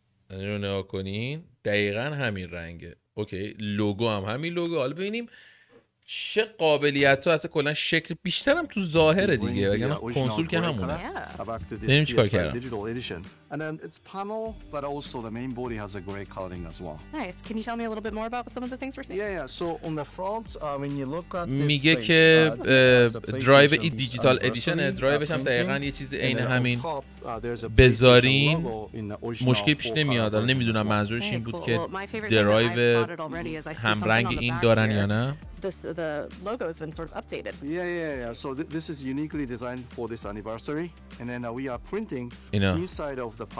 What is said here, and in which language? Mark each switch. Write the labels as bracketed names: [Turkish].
[Persian] این رو نها کنین، دقیقا همین رنگه. اوکی، لوگو هم همین لوگو. حالا ببینیم چه قابلیت ها اصلا، کلا شکل بیشتر هم تو ظاهره دیگه، یعنی کنسول که همونه. ببینیم چی کار کردم. [English] And then its panel, but also the main body has a gray coloring as well. Nice. Can you tell me a little bit more about some of the things we're seeing? Yeah, yeah. So on the front, when you look at this میگه space, [Persian] که درایو این دیجیتال ادیشنه. درایوش هم دقیقاً یه چیز عین همین. بذارین مشکل پیش نمیاد. نمیدونم منظورش این بود که درایو هم رنگ این دارن یا نه. [English] The logo has been sort of updated. Yeah. So this is uniquely designed for this anniversary. And then we are printing inside of